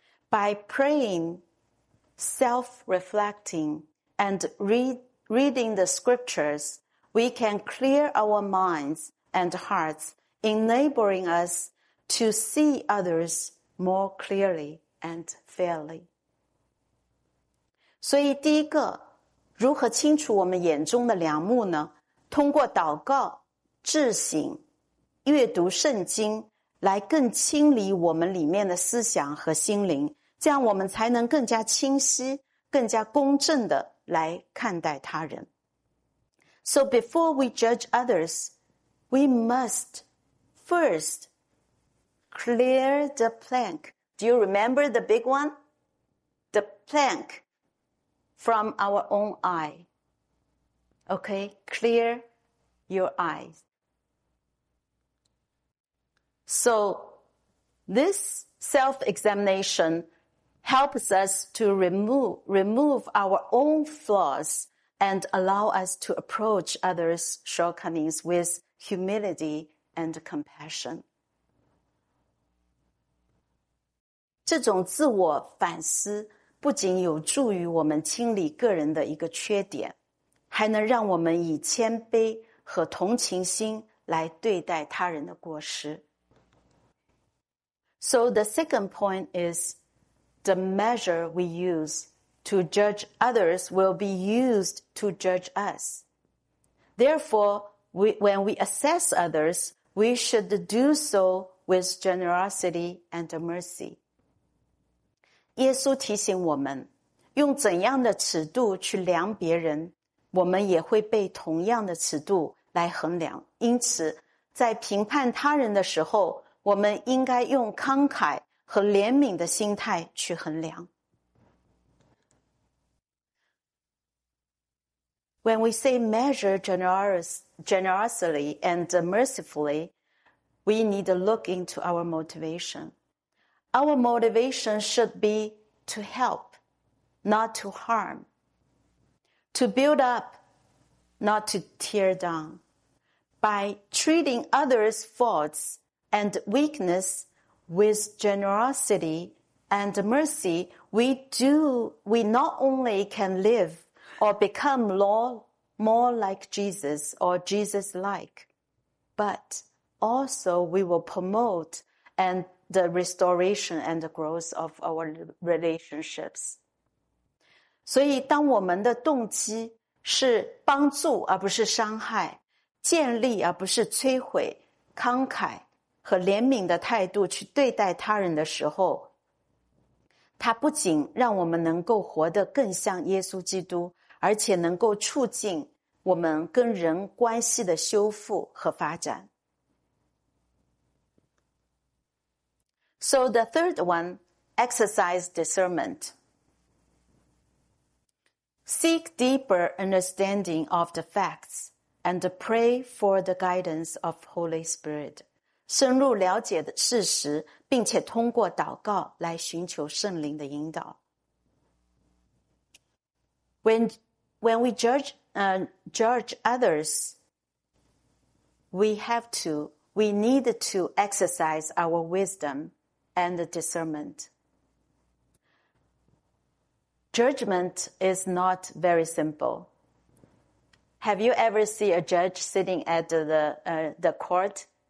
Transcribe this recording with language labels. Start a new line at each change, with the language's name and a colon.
English: By praying, self-reflecting, and reading the scriptures, we can clear our minds and hearts, enabling us to see others more clearly and fairly.
Chinese: 所以第一个，如何清除我们眼中的梁木呢？通过祷告、致醒、阅读圣经，来更清理我们里面的思想和心灵，这样我们才能更加清晰、更加公正地来看待他人。
English: So before we judge others, we must first clear the plank. Do you remember the big one? The plank from our own eye. Okay, clear your eyes. So this self-examination helps us to remove our own flaws and allow us to approach others' shortcomings with humility and compassion.
Chinese: 这种自我反思不仅有助于我们清理个人的一个缺点，还能让我们以谦卑和同情心来对待他人的过失。
English: So the second point is,The measure we use to judge others will be used to judge us. Therefore, when we assess others, we should do so with generosity and mercy.
Chinese: 耶稣提醒我们，用怎样的尺度去量别人，我们也会被同样的尺度来衡量。因此，在评判他人的时候，我们应该用慷慨和怜悯的心态去衡量。
English: When we say measure generously and mercifully, we need to look into our motivation. Our motivation should be to help, not to harm. To build up, not to tear down. By treating others' faults and weaknessWith generosity and mercy, we not only can live or become more like Jesus or Jesus-like, but also we will promote and the restoration and the growth of our relationships.
Chinese: 所以当我们的动机是帮助而不是伤害，建立而不是摧毁，慷慨和怜悯的态度去对待他人的时候，它不仅让我们能够活得更像耶稣基督，而且能够促进我们跟人关系的修复和发展。
English: So the third one, exercise discernment. Seek deeper understanding of the facts and pray for the guidance of Holy Spirit.
Chinese: 深入了解的事实，并且通过祷告来寻求圣灵的引导。
English: When we judge others, we need to exercise our wisdom and discernment. Judgment is not very simple. Have you ever seen a judge sitting at the court?